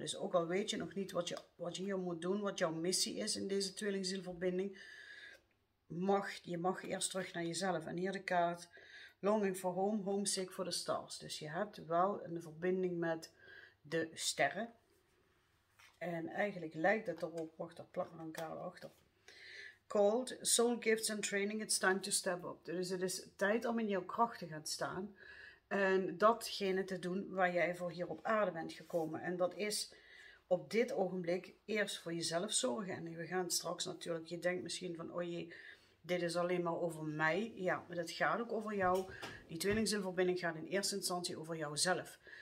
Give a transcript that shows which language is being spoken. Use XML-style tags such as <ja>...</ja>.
<nl>Dus ook al weet je nog niet wat je hier moet doen, wat jouw missie is in deze tweelingzielverbinding, je mag eerst terug naar jezelf. En hier de kaart</nl> <en>Longing for Home, Homesick for the Stars.</en> <nl>Dus je hebt wel een verbinding met de sterren. En eigenlijk lijkt het erop, wacht, daar plakken we een kaart achter.</nl> <en>Called Soul Gifts and Training, it's time to step up.</en> <nl>Dus het is tijd om in jouw kracht te gaan staan. En datgene te doen waar jij voor hier op aarde bent gekomen. En dat is op dit ogenblik eerst voor jezelf zorgen. En we gaan straks natuurlijk, je denkt misschien van, oh jee, dit is alleen maar over mij. Ja, maar dat gaat ook over jou. Die tweelingzielverbinding gaat in eerste instantie over jouzelf.</nl>